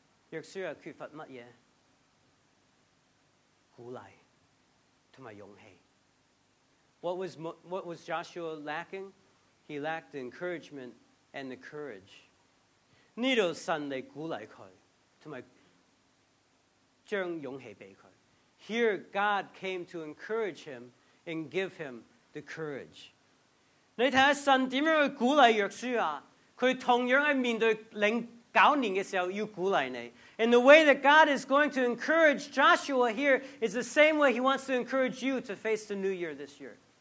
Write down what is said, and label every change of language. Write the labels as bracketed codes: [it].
[yue] 約書亞缺乏什麼？鼓勵和勇氣。 [en] What was Joshua lacking? He lacked the encouragement and the courage. [yue] 這裡神來鼓勵他,和將勇氣給他。 [en] Here God came to encourage him and give him the courage. [yue] 你看神怎樣去鼓勵約書亞,他同樣在面對09年的時候要鼓勵你。 [en] And the way that God is going to encourage Joshua here is the same way he wants to encourage you to face the new year this year.